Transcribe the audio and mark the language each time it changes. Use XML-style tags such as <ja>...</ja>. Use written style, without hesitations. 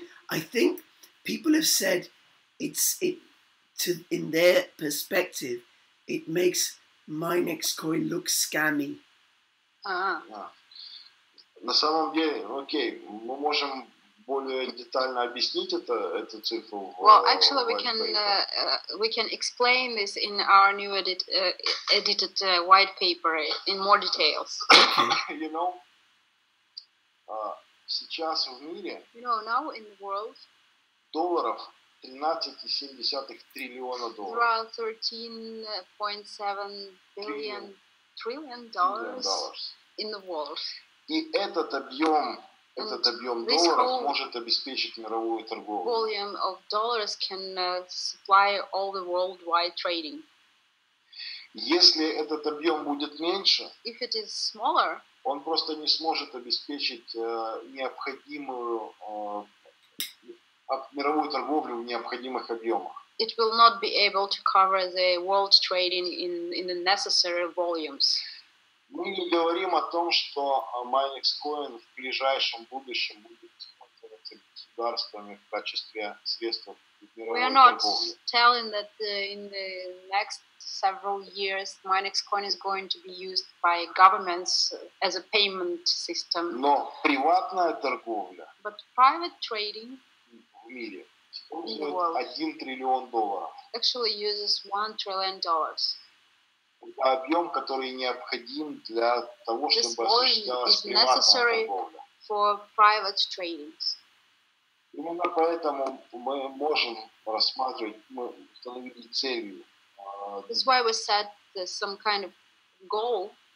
<en>I think people have said in their perspective, it makes Minexcoin look scammy.</en> <ru>На самом деле, окей, мы можем более детально объяснить эту цифру.</ru> <en>Well, actually, we can explain this in our new edited white paper in more details. Okay. You know,</en> <ru>сейчас в мире.</ru> <en>You know, now in the world.</en> <ru>Долларов. 13.7 триллиона долларов.</ru> <en>Around 13.7 billion trillion dollars in the world.</en> <ru>И этот объем долларов может обеспечить мировую торговлю.</ru> <en>Volume of dollars can supply all the worldwide trading.</en> <ru>Если этот объем будет меньше,</ru> <en>if it is smaller,</en> <ru>он просто не сможет обеспечить необходимую мировую торговлю в необходимых объемах.</ru> <en>It will not be able to cover the world trading in the necessary volumes.</en> <ru>Мы не говорим о том, что Minexcoin в ближайшем будущем будет использоваться государствами в качестве средства мировой торговли.</ru> <en>We are not telling that in the next several years, Minexcoin is going to be used by governments as a payment system.</en> <ru>Но приватная торговля.</ru> <en>But private trading.</en> <ru>В мире. Один триллион долларов.</ru> <en>Actually uses $1 trillion.</en> <ru>Это объем, который необходим для того,</ru> <en>this</en> <ru>чтобы осуществлялась приватная торговля. Именно поэтому мы можем рассматривать, мы установили целью.</ru> <en>This is why we set some kind of goal.</en>